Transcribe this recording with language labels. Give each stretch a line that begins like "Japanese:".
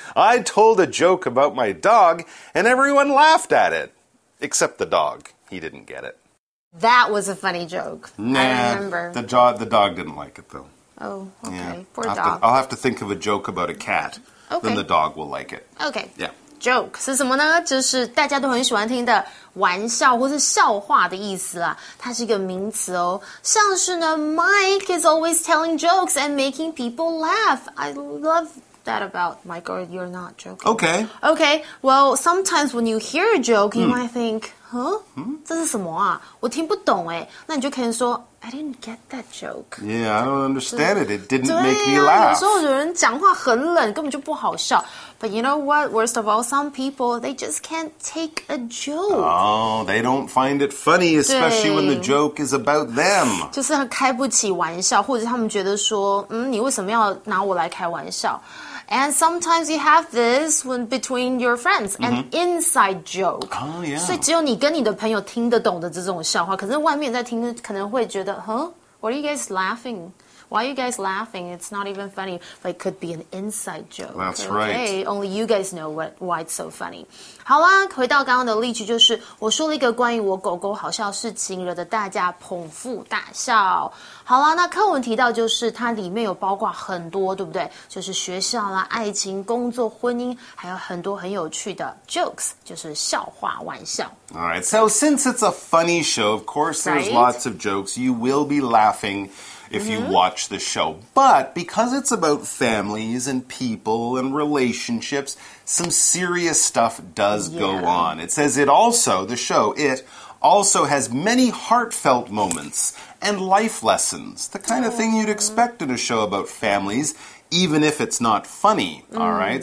English: I told a joke about my dog and everyone laughed at it. Except the dog. He didn't get it. That was a funny joke. Nah, I remember. The dog didn't like it though. Oh, okay. Yeah. Poor dog. I'll have to think of a joke about a cat. Okay. Then the dog will like it. Okay. Yeah.
Chinese: joke 是什么呢？就是大家都很喜欢听的玩笑或是笑话的意思啦。它是一个名词哦。像是呢
English: ，Mike is always telling jokes and making people laugh. I love that about Mike. Or you're not joking. Okay. Okay. Well, sometimes when you hear a joke, you might think, "Huh?
Chinese: 这是什么啊？我听不懂哎。那你就可以说。
English: I didn't get that joke. Yeah, I don't understand it. It didn't make me laugh.
Chinese: 所有人讲话很冷，根本就不好笑。
English: But you know what? Worst of all, some people, they just can't take a joke. Oh, they don't find it funny, especially when the joke is about them.
Chinese: 就是开不起玩笑，或者他们觉得说，你为什么要拿我来开玩笑？
English: And sometimes you have this when between your friends, an inside joke. Oh, yeah.
Chinese: 所以只有你跟你的朋友听得懂的这种笑话，可是外面在听可能会觉得 huh?
English: What are you guys laughing? Why are you guys laughing? It's not even funny. But it could be an inside joke. That's right. Okay, only you guys know why it's so funny.
Chinese: 好啦，回到刚刚的例句，就是我说了一个关于我狗狗好笑事情，惹得大家捧腹大笑。好啦，那课文提到就是它里面有包括很多，对不对？就是学校啦、爱情、工作、婚姻，还有很多很有趣的 jokes， 就是笑话、玩笑。
English: All right, so since it's a funny show, of course there's lots of jokes. You will be laughing if you watch the show. But because it's about families and people and relationships, some serious stuff does go on. It says it also, the show, it also has many heartfelt moments and life lessons, the kind of thing you'd expect in a show about families, even if it's not funny, all right?